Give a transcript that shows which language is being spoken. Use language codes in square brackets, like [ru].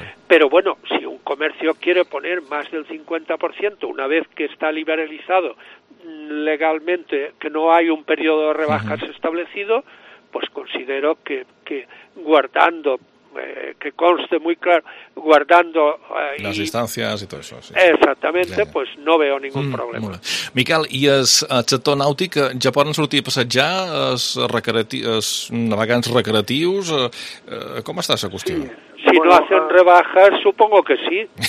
[es] Pero bueno, si un comercio quiere poner más del 50%, una vez que está liberalizado legalmente, que no hay un periodo de rebajas establecido, pues considero que guardando, que conste muy claro, guardando... Las distancias y todo eso. Sí. Exactamente, ja. Pues no veo ningún problema. [ca] Molt bé. Miquel, i el sector nàutic, ja poden sortir a passejar els navegants recreatius? Com està la qüestió? Sí. [es] Si no hacen rebajas, supongo que sí.